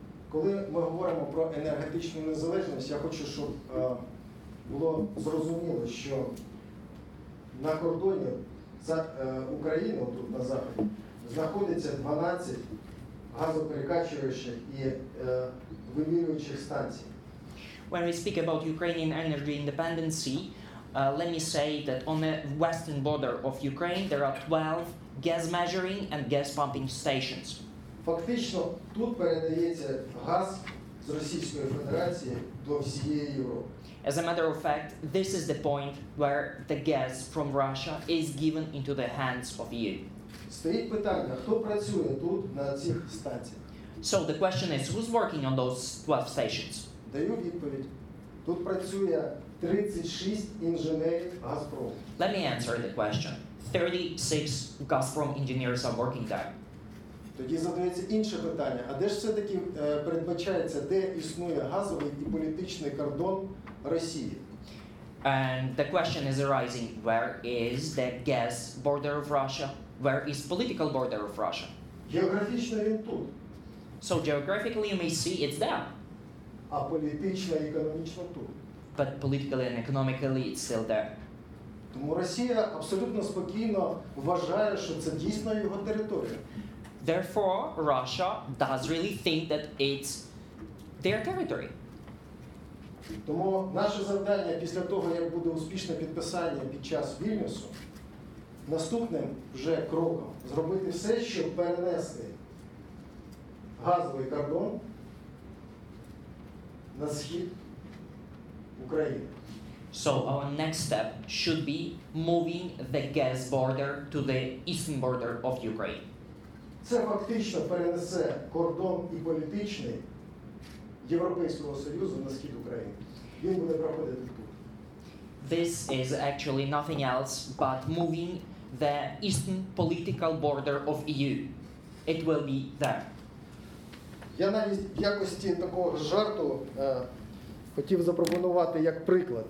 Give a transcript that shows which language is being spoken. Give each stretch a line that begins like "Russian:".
Ukrainian: Коли ми говоримо про енергетичну незалежність, я хочу, щоб було зрозуміло, що на кордоні за Україну, тут на Заході, знаходиться 12 газоперекачувальних і вимірюючих станцій.
English: When we speak about Ukrainian energy independence, let me say that on the western border of Ukraine there are 12 gas measuring and gas pumping stations.
Ukrainian: Фактично тут передається газ з Російської Федерації до всієї Європи.
English: As a matter of fact, this is the point where the gas from Russia is given into the hands of EU.
Ukrainian: Стоїть питання, хто працює тут на цих станціях?
English: So the question is, who's working on those 12 stations?
Ukrainian: Даю відповідь. Тут працює 36 інженерів Газпром.
English: Let me answer the question. 36 Газпром engineers are working there.
Ukrainian: Тоді задається інше питання. А де ж все-таки передбачається, де існує газовий і політичний кордон Росії?
English: And the question is arising, where is the gas border of Russia? Where is political border of Russia?
Ukrainian: Географічно він тут.
English: So geographically you may see it's there.
Ukrainian: А політично і економічно тут.
English: But politically and economically it's still there.
Ukrainian: Тому Росія абсолютно спокійно вважає, що це дійсно його територія.
English: Therefore, Russia does really think that it's their territory.
Ukrainian: Тому наше завдання після того, як буде успішне підписання під час Вільнюсу, наступним вже кроком зробити все, щоб перенести газовий кордон на схід України.
English: So our next step should be moving the gas border to the eastern border of Ukraine.
Ukrainian: Це фактично перенесе кордон і політичний Європейського Союзу на схід України. Він буде проходити тут.
English: This is actually nothing else but moving the eastern political border of EU. It will be there.
Ukrainian: Я навіть в якості такого жарту хотів запропонувати як приклад.